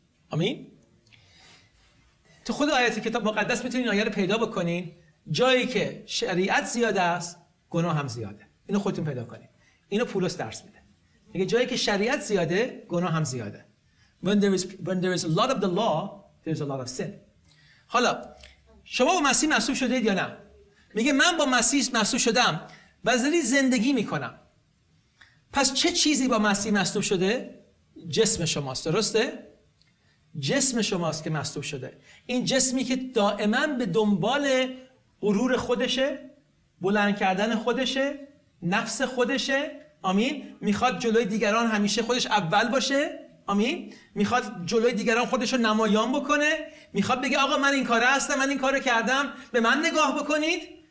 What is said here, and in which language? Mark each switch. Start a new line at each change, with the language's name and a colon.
Persian: آمین؟ تو خود آیه کتاب مقدس میتونین آیه رو پیدا بکنین، جایی که شریعت زیاد است گناه هم زیاده. اینو خودتون پیدا کنین. اینو پولس درس میده، میگه جایی که شریعت زیاده گناه هم زیاده.
English: When there is a lot of the law there is a lot of sin.
Persian: حالا شما با مسیح مصلوب شدید یا نه؟ میگه من با مسیح مصلوب شدم و زندگی میکنم. پس چه چیزی با مسیح مصلوب شده؟ جسم شماست، درسته؟ جسم شماست که مصلوب شده. این جسمی که دائما به دنبال غرور خودشه، بلند کردن خودشه، نفس خودشه، آمین، میخواد جلوی دیگران همیشه خودش اول باشه، آمین، میخواد جلوی دیگران خودشو نمایان بکنه، میخواد بگه آقا من این کاره هستم، من این کارو کردم، به من نگاه بکنید.